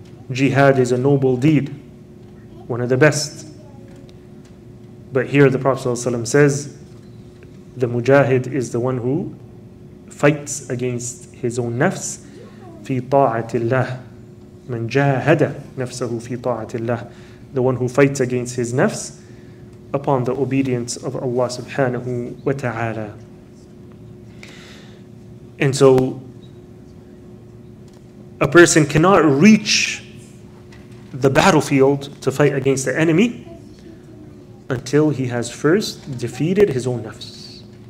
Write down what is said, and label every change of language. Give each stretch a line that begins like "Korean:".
English: Jihad is a noble deed, one of the best. But here the Prophet ﷺ says, the mujahid is the one who fights against his own nafs,
Arabic: في طاعة الله. من جاهد نفسه في طاعة الله.
English: The one who fights against his nafs upon the obedience of Allah subhanahu wa ta'ala. And so a person cannot reach the battlefield to fight against the enemy until he has first defeated his own nafs.